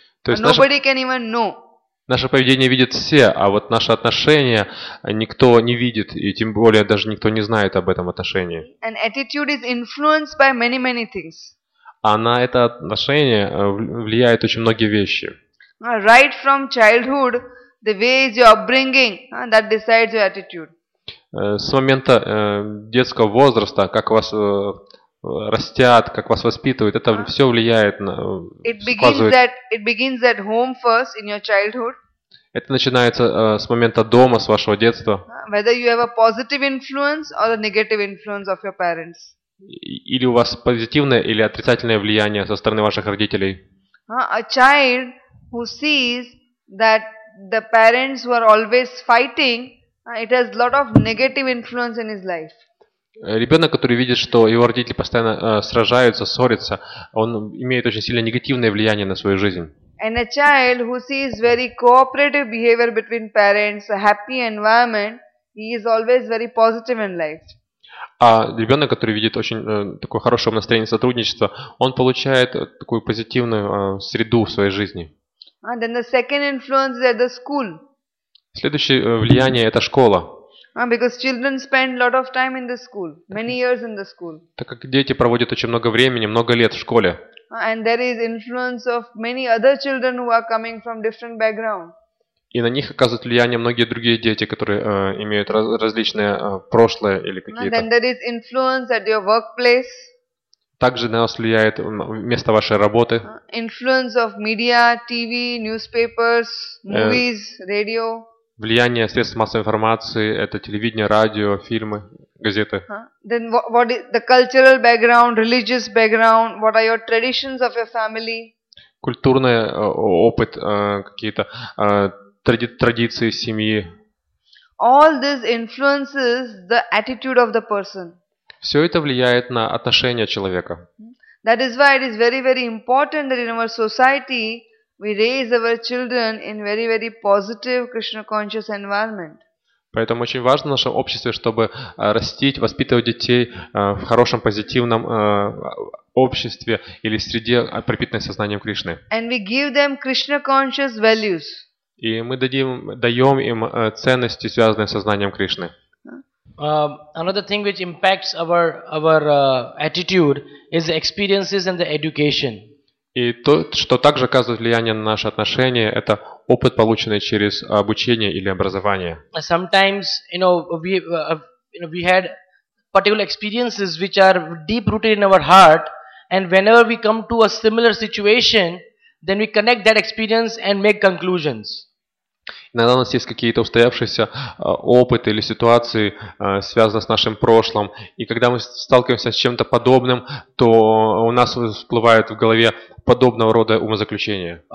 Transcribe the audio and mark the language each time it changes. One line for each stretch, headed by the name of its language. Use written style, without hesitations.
English: Nobody can even know.
Russian: Наше поведение видят все, а вот наши отношения никто не видит, и тем более даже никто не знает об этом отношении.
English: And attitude is influenced by many, many things.
Russian: А на это отношение влияет очень многие вещи.
English: Right from childhood, the way is your upbringing, that decides your attitude.
Russian: С момента детского возраста, как вас растят, как вас воспитывают, это все влияет на...
English: It begins at home first, in your childhood.
Russian: Это начинается с момента дома, с вашего детства.
English: Whether you have a positive influence or a negative influence of your parents.
Russian: Или у вас позитивное или отрицательное влияние со стороны ваших родителей.
English: A child who sees that the parents who are always fighting, it has a lot of negative influence in his life.
Russian: Ребенок, который видит, что его родители постоянно сражаются, ссорятся, он имеет очень сильно негативное влияние на свою жизнь.
English: And a child who sees very cooperative behavior between parents, a happy environment, he is always very positive in life.
Russian: А ребенок, который видит очень такое хорошее настроение сотрудничества, он получает такую позитивную среду в своей жизни.
English: And then the second influence is at the school.
Russian: Следующее влияние – это школа.
English: Because children spend a lot of time in the school, many years in the school.
Russian: Так как дети проводят очень много времени, много лет в школе.
English: And there is influence of many other children who are coming from different backgrounds.
Russian: И на них оказывают влияние многие другие дети, которые имеют различные прошлое или какие-то.
English: And then there is influence at your workplace.
Russian: Также на вас влияет место вашей работы.
English: Influence of media, TV, newspapers, movies, radio.
Russian: Влияние средств массовой информации – это телевидение, радио, фильмы, газеты.
English: Then what is the cultural background, religious background? What are your traditions of your family?
Russian: Культурный опыт, какие-то традиции семьи.
English: All this influences the attitude of the person.
Russian: Все это влияет на отношения человека.
English: That is why it is very, very important that in our society we raise our children in very, very positive Krishna conscious environment.
Russian: Поэтому очень важно в нашем обществе, чтобы растить, воспитывать детей в хорошем, позитивном обществе или среде, пропитанной сознанием Кришны.
English: And we give them Krishna conscious values.
Russian: И мы даем им ценности, связанные с сознанием Кришны.
English: Another thing which impacts our attitude is the experiences and the education.
Russian: И то, что также оказывает влияние на наши отношения, это опыт, полученный через обучение или образование.
English: Sometimes, we had particular experiences which are deep rooted in our heart, and whenever we come to a similar situation, then we connect that experience and make conclusions.
Russian: Иногда у нас есть какие-то устоявшиеся опыты или ситуации, связанные с нашим прошлым. И когда мы сталкиваемся с чем-то подобным, то у нас всплывает в голове подобного рода умозаключения.